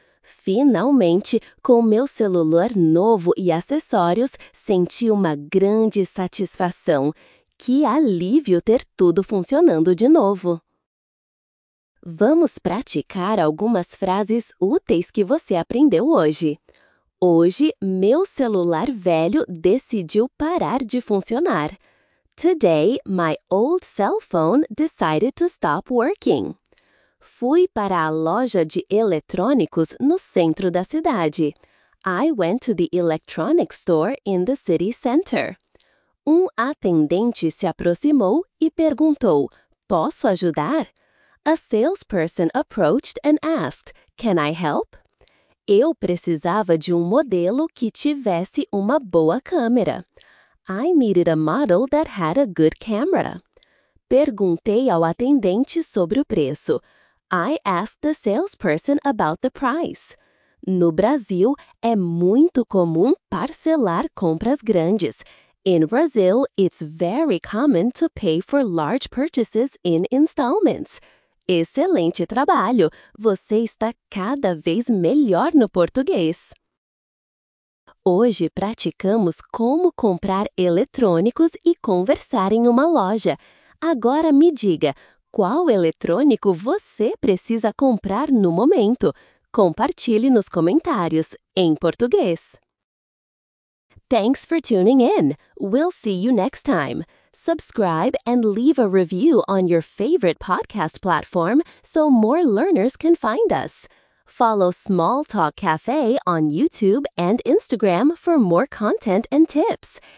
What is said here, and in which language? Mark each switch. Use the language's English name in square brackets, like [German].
[Portuguese] Finalmente, com meu celular novo e acessórios, senti uma grande satisfação. Que alívio ter tudo funcionando de novo! Vamos praticar algumas frases úteis que você aprendeu hoje. Hoje, meu celular velho decidiu parar de funcionar. [English] Today, my old cell phone decided to stop working. [Portuguese] Fui para a loja de eletrônicos no centro da cidade. [English] I went to the electronics store in the city center. [Portuguese] Um atendente se aproximou e perguntou, "Posso ajudar?" [English] A salesperson approached and asked, "Can I help?" [Portuguese] Eu precisava de um modelo que tivesse uma boa câmera. [English] I needed a model that had a good camera. [Portuguese] Perguntei ao atendente sobre o preço. [English] I asked the salesperson about the price. [Portuguese] No Brasil, é muito comum parcelar compras grandes. [English] In Brazil, it's very common to pay for large purchases in installments. [Portuguese] Excelente trabalho! Você está cada vez melhor no português. Hoje praticamos como comprar eletrônicos e conversar em uma loja. Agora me diga, qual eletrônico você precisa comprar no momento? Compartilhe nos comentários, em português. [English] Thanks for tuning in. We'll see you next time. Subscribe and leave a review on your favorite podcast platform so more learners can find us. Follow Small Talk Cafe on YouTube and Instagram for more content and tips.